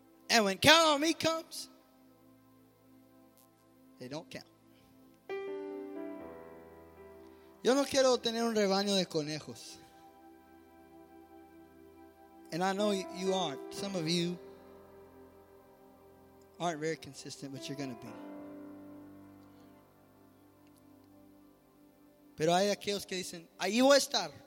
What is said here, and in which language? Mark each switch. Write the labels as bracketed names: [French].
[English] And when count on me comes, they don't count. [Spanish] Yo no quiero tener un rebaño de conejos. [English] And I know you aren't. Some of you aren't very consistent, but you're going to be. [Spanish] Pero hay aquellos que dicen, ahí voy a estar.